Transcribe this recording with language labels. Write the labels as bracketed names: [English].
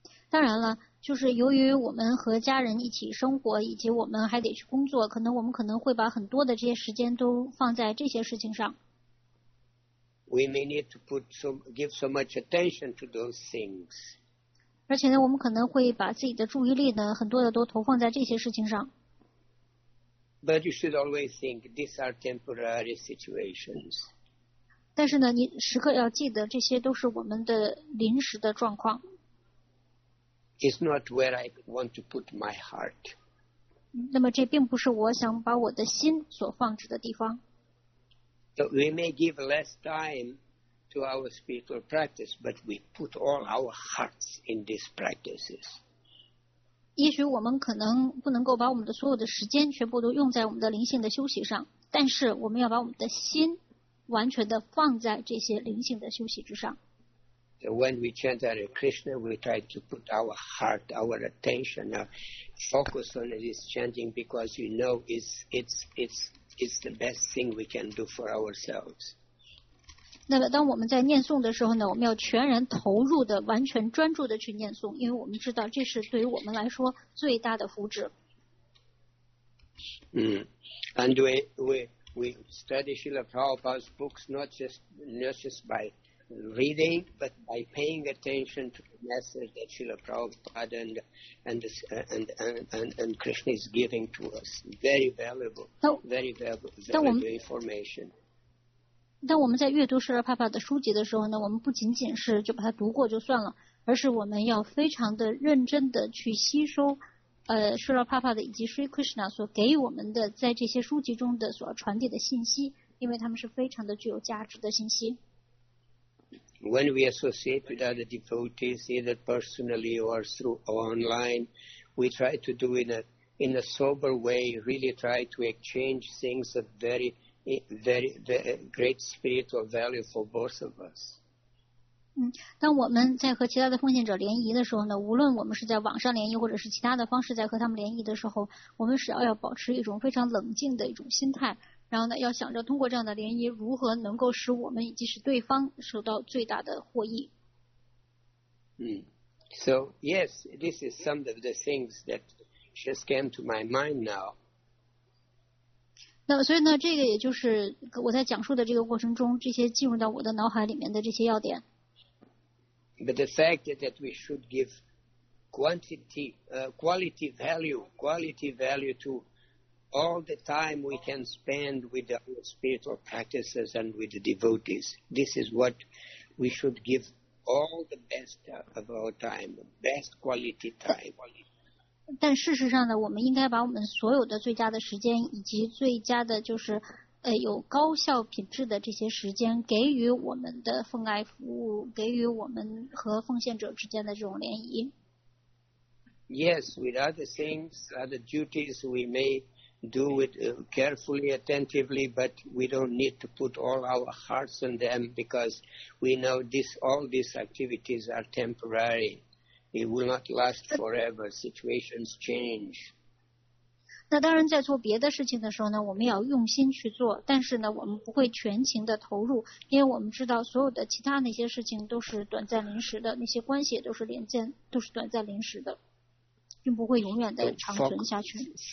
[Chinese] 当然了，就是由于我们和家人一起生活，以及我们还得去工作，可能我们可能会把很多的这些时间都放在这些事情上。 [English] We may need to give so much attention to those things. [Chinese] 而且呢，我们可能会把自己的注意力呢，很多的都投放在这些事情上。 [English] But you should always think these are temporary situations. [Chinese] 但是呢，你时刻要记得，这些都是我们的临时的状况。 [English] It's not where I want to put my heart. [Chinese] 那么这并不是我想把我的心所放置的地方。 [English] So we may give less time to our spiritual practice, but we put all our hearts in these practices. [Chinese] 也许我们可能不能够把我们的所有的时间全部都用在我们的灵性的休息上，但是我们要把我们的心完全的放在这些灵性的休息之上。 [English] So when we chant Hare Krishna, we try to put our heart, our attention, our focus on this chanting because you know it's the best thing we can do for ourselves. [Chinese] 那么当我们在念诵的时候呢，我们要全然投入的、完全专注的去念诵，因为我们知道这是对于我们来说最大的福祉。 [English] And we study Srila Prabhupada's books not just by reading, but by paying attention to the message that Srila Prabhupada and Krishna is giving to us. Very valuable information. [Chinese] 当我们在阅读释迦牟尼佛的书籍的时候呢，我们不仅仅是就把它读过就算了，而是我们要非常的认真的去吸收释迦牟尼佛以及 Sri Krishna 所给我们的在这些书籍中的所传递的信息，因为他们是非常的具有价值的信息。 [English] When we associate with other devotees, either personally or through online, we try to do in a sober way, really try to exchange things of very, very, very great spiritual value for both of us. [Chinese] 当我们在和其他的奉献者联谊的时候呢，无论我们是在网上联谊或者是其他的方式在和他们联谊的时候，我们只要保持一种非常冷静的一种心态。然后呢，要想着通过这样的联谊，如何能够使我们以及使对方受到最大的获益。 [English] So yes, this is some of the things that just came to my mind now. [Chinese] 那所以呢，这个也就是我在讲述的这个过程中，这些进入到我的脑海里面的这些要点。 [English] But the fact that we should give quality value to all the time we can spend with our spiritual practices and with the devotees. This is what we should give all the best of our time, best quality time. [Chinese] 但事实上呢，我们应该把我们所有的最佳的时间以及最佳的就是有高效品质的这些时间给予我们的奉爱服务，给予我们和奉献者之间的这种联谊。 [English] Yes, with other things, other duties we may do it carefully, attentively, but we don't need to put all our hearts in them because we know all these activities are temporary. It will not last forever. Situations change. [Chinese] 那当然，在做别的事情的时候呢，我们要用心去做，但是呢，我们不会全情的投入，因为我们知道所有的其他那些事情都是短暂临时的，那些关系都是连接，都是短暂临时的。并不会永远的长存下去。